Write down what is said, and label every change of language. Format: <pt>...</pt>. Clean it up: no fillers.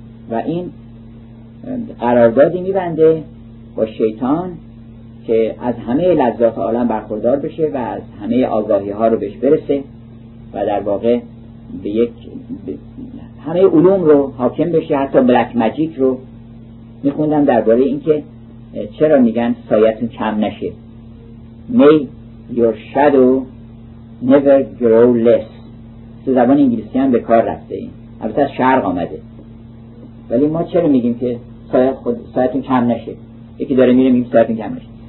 <fa>و این قراردادی میبنده با شیطان که از همه لذات عالم برخوردار بشه و از همه آگاهی ها رو بهش برسه و در واقع به یک همه علوم رو حاکم بشه. حتی بلک ماجیک رو میخوندم درباره این که چرا میگن سایتون کم نشه.</fa> <en>May your shadow never grow less.</en> <fa>تو زبان انگلیسی هم به کار رفته این، البته از شرق آمده. ولی ما چرا میگیم که سایتون کم نشه؟ یکی داره میره میگیم سایتون کم نشه.</fa>